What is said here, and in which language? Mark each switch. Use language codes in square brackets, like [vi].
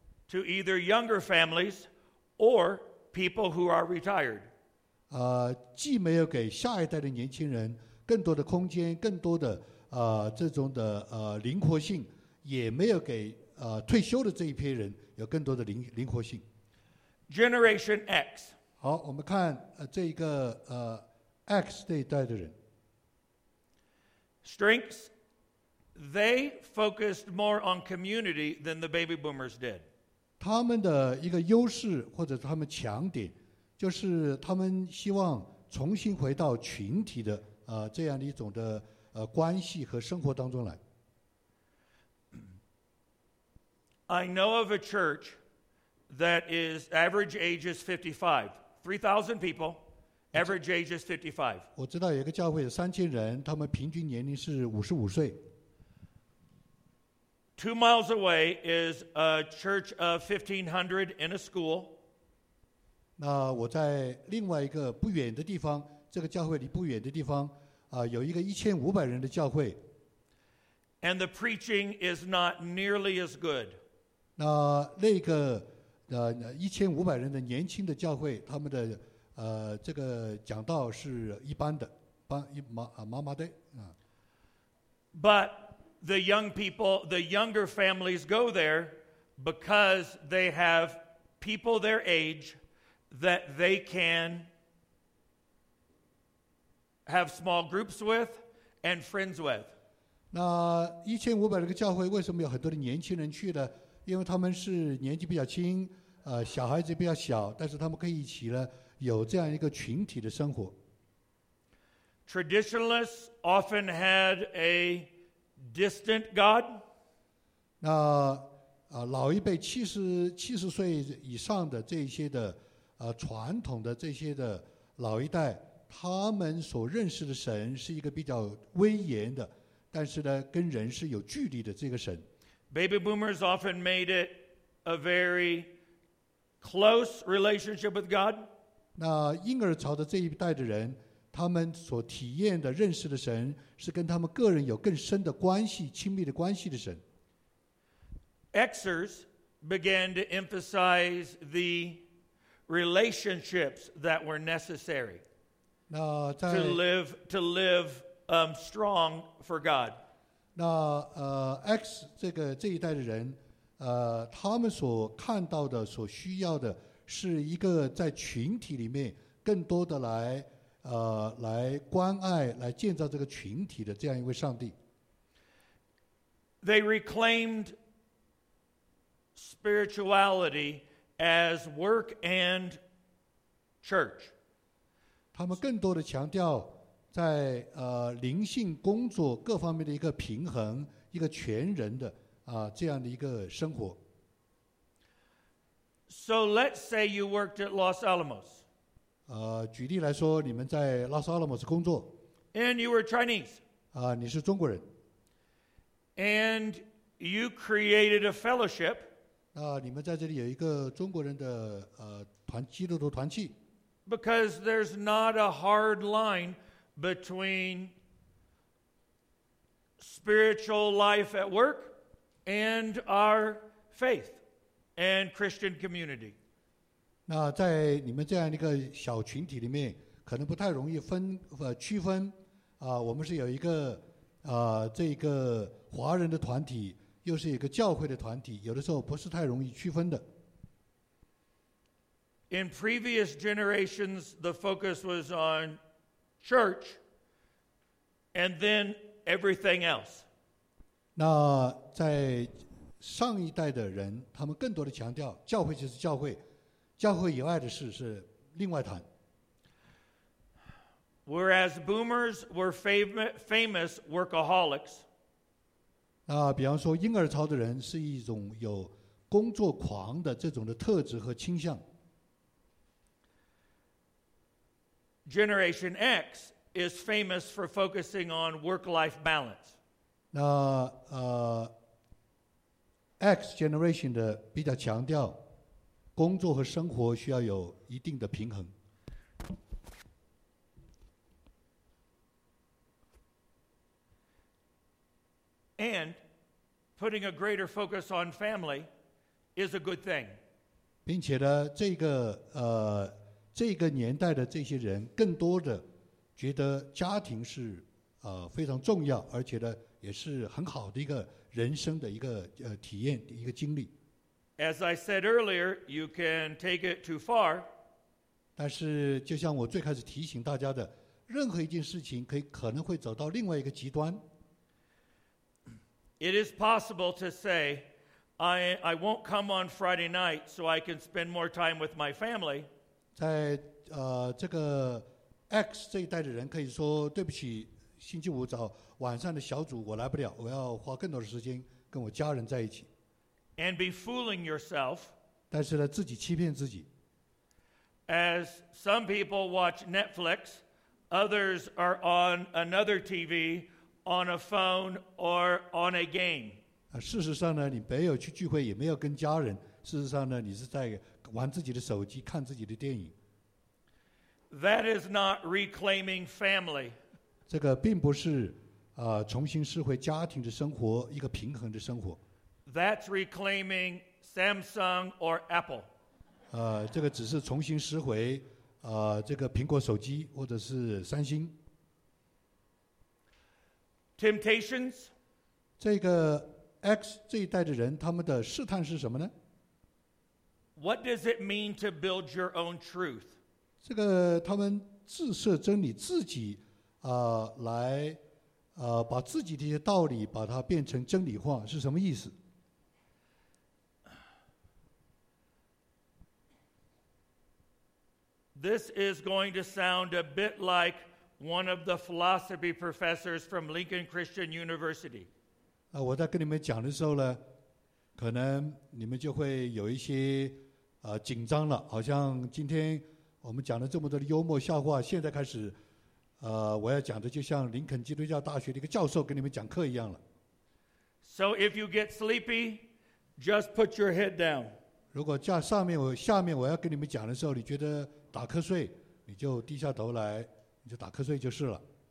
[en] To either younger families or people who are retired. [zh] 既没有给下一代的年轻人更多的空间，更多的这种的灵活性，也没有给退休的这一批人有更多的灵活性。 [en] Generation X. [zh] 好，我们看这一个X 这一代的人。 [en] Strengths. They focused more on community than the baby boomers did. [zh] 他们的一个优势或者他们强点，就是他们希望重新回到群体的这样的一种的关系和生活当中来。 [en] I know of a church that is average age is 55, 3,000 people, average age is 55. [zh] 我知道有一个教会有3000人，他们平均年龄是55岁。 [en] 2 miles away is a church of 1,500 in a school. [zh] 那我在另外一个不远的地方，这个教会离不远的地方，有一个1,500人的教会。 [en] And the preaching is not nearly as good. [zh] 那个1,500人的年轻的教会，他们的这个讲道是一般的，麻麻的啊。 [en] But the young people, the younger families go there because they have people their age that they can have small groups with and friends with. [zh] 那1,500这个教会为什么有很多的年轻人去呢？因为他们是年纪比较轻，小孩子比较小，但是他们可以一起呢，有这样一个群体的生活。 [en] Traditionalists often had a distant God. [zh] 那老一辈七十岁以上的这些的传统的这些的老一代，他们所认识的神是一个比较威严的，但是呢跟人是有距离的这个神。 [en] Baby boomers often made it a very close relationship with God. [zh] 那婴儿潮的这一代的人，他们所体验的认识的神是跟他们个人有更深的关系、亲密的关系的神。 [en] Xers began to emphasize the relationships that were necessary to live strong for God. [zh] 那X 这一代的人，他们所看到的、所需要的是一个在群体里面更多的来关爱、来建造这个群体的这样一位上帝。 [en] They reclaimed spirituality as work and church. [zh] 他们更多的强调在灵性、工作各方面的一个平衡、一个全人的这样的一个生活。 [en] So let's say you worked at Los Alamos. [zh] 举例来说，你们在拉斯阿拉莫斯工作。 [en] And you were Chinese. [zh] 你是中国人。 [en] And you created a fellowship. [zh] 你们在这里有一个中国人的基督徒团契。 [en] Because there's not a hard line between spiritual life at work and our faith and Christian community. [zh] 那在你们这样一个小群体里面，可能不太容易区分。我们是有一个这个华人的团体，又是一个教会的团体，有的时候不是太容易区分的。 [en] In previous generations, the focus was on church and then everything else. [zh] 那在上一代的人，他们更多的强调教会就是教会，教会以外的事是另外谈。 [en] Whereas boomers were famous workaholics. [zh] 那比方说婴儿潮的人是一种有工作狂的这种的特质和倾向。 [en] Generation X is famous for focusing on work-life balance. [zh] 那 [en] X generation [zh] 的比较强调工作和生活需要有一定的平衡。 [en] And putting a greater focus on family is a good thing. [zh] 并且呢，这个年代的这些人更多的觉得家庭是非常重要，而且呢也是很好的一个人生的一个体验一个经历。 [en] As I said earlier, you can take it too far. [zh] 但是就像我最开始提醒大家的，任何一件事情可能会走到另外一个极端。 [en] It is possible to say, I won't come on Friday night so I can spend more time with my family. [zh] 在这个 X 这一代的人可以说，对不起，星期五早晚上的小组我来不了，我要花更多的时间跟我家人在一起。 [en] And be fooling yourself. [zh] 但是呢，自己欺骗自己。 [en] As some people watch Netflix, others are on another TV, on a phone, or on a game. [zh] 事实上呢，你没有去聚会，也没有跟家人。事实上呢，你是在玩自己的手机，看自己的电影。 [en] That is not reclaiming family. [zh] 这个并不是重新拾回家庭的生活，一个平衡的生活。 [en] That's reclaiming Samsung or Apple. [zh] 这个只是重新拾回这个苹果手机或者是三星。 [en] Temptations. [zh] 这个 X 这一代的人，他们的试探是什么呢？ What does it mean to build your own truth? 这个他们自设真理，自己来把自己的一些道理把它变成真理化，是什么意思？ This is going to sound a bit like one of the philosophy professors from Lincoln Christian University. 我在跟你们讲的时候呢，可能你们就会有一些紧张了，好像今天我们讲了这么多的幽默笑话，现在开始我要讲的就像林肯基督教大学的一个教授跟你们讲课一样了。 So if you get sleepy, just put your head down. 如果下面我要跟你们讲的时候你觉得打瞌睡，你就低下头来，你就打瞌睡就是了。